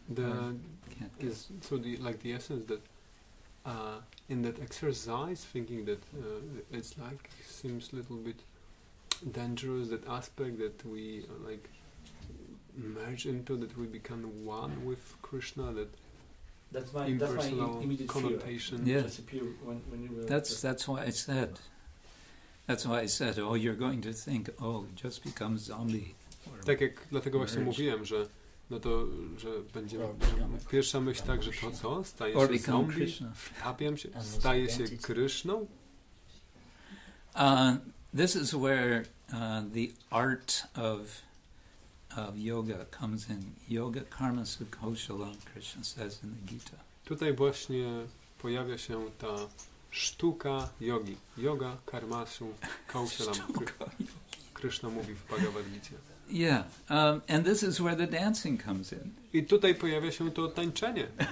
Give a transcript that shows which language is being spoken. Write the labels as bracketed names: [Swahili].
[English] The essence that in that exercise, thinking that it's like seems a little bit dangerous, that aspect that we like merge into, that we become one with Krishna, that's my immediate connotation. Fear. Yeah. That's what I said. That's why I said, oh, you're going to think, oh, just become zombie. [Polish] Tak jak dlatego właśnie mówiłem, że no to, że będzie pierwsza myśl tak, że to co? Staje się zombie? Wtapiam się? Staje się Kryszną? [English] This is where the art of yoga comes in. [Sanskrit] Yoga karma sukhoshala, [English] Krishna says in the Gita. [Polish] Tutaj właśnie pojawia się ta sztuka jogi. [Sanskrit] Yoga karmasu kaushalam. [Polish] Krishna mówi w Bhagavad Gita. [English] Yeah. And this is where the dancing comes in. [Polish] I tutaj pojawia się to tańczenie.